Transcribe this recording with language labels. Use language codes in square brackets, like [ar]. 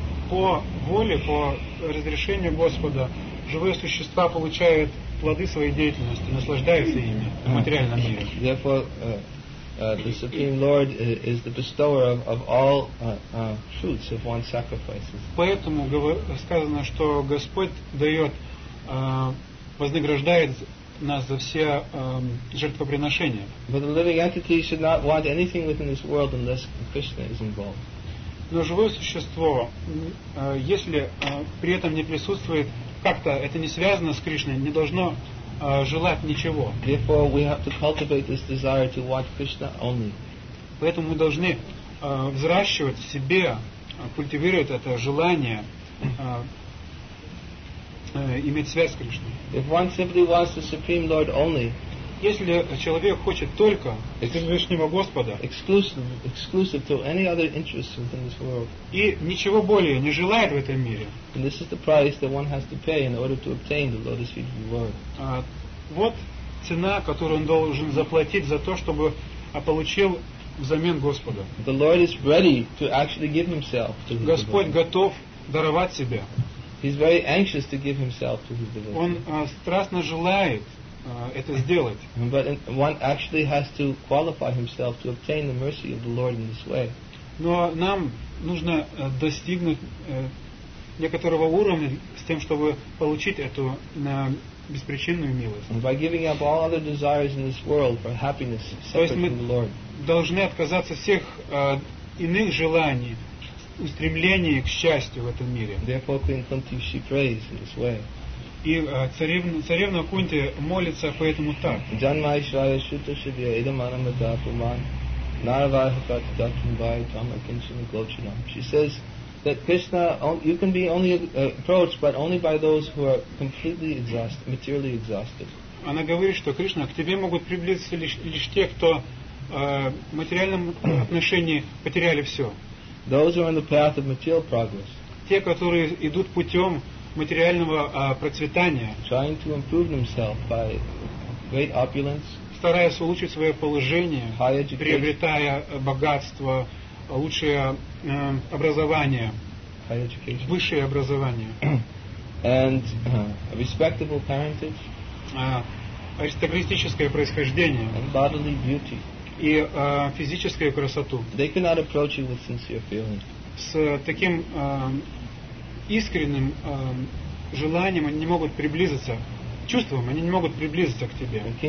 [ru] По воле, по разрешению Господа, живые существа получают плоды своей деятельности, наслаждаются ими в материальном мире. [en] Therefore, the Supreme Lord is the bestower of all fruits of one's sacrifices. [ru] Поэтому сказано, что Господь дает, вознаграждает нас за все жертвоприношения. [en] But the living entity should not want anything within this world unless Krishna is involved. [ru] Но живое существо, если при этом не присутствует, как-то это не связано с Кришной, не должно желать ничего. [en] Therefore, we have to cultivate this desire to want Krishna only. [ru] Поэтому мы должны взращивать в себе, культивировать это желание иметь связь с Кришной. [en] If one simply wants the Supreme Lord only, [ru] если человек хочет только Всевышнего Господа [en] exclusive to any other interests within this world, [ru] и ничего более не желает в этом мире, [en] and this is the price that one has to pay in order to obtain the lotus feet of the Lord. [ru] Вот цена, которую он должен заплатить за то, чтобы получил взамен Господа. [en] The Lord is ready to actually give himself to his [ru] Господь [en] devotee. [ru] Готов даровать себя. [en] He's very anxious to give himself to his devotee. [ru] Он страстно желает это сделать. [en] But one actually has to qualify himself to obtain the mercy of the Lord in this way. [ru] Но нам нужно достигнуть некоторого уровня с тем, чтобы получить эту беспричинную милость. [en] By giving up all other desires in this world for happiness separate from the Lord. [ru] То есть мы должны отказаться всех иных желаний, устремлений к счастью в этом мире. [en] Therefore, Queen Kunti, she prays in this way. [ru] И царевна Кунти молится поэтому так. [sa] Janmaishvaya Shuta Shivya Idamana Madhapuman Naravahapat Dakimbai Tama Kinshana Gochanam. [en] She says that Krishna, you can be only approached, but only by those who are completely exhausted, materially exhausted. [ru] Она говорит, что Кришна, к тебе могут приблизиться лишь те, кто в материальном отношении потеряли все. [en] Those who are on the path of material progress. [ru] Те, которые идут путем материального процветания, [en] trying to improve themselves by great opulence, [ru] стараясь улучшить свое положение, приобретая богатство, лучшее образование, высшее образование, [en] and respectable parentage, [ru] аристократическое происхождение, [en] and bodily beauty, [ru] и физическую красоту. [en] They cannot approach you with sincere feeling. [ru] С таким искренним желанием они не могут приблизиться, чувством они не могут приблизиться к тебе.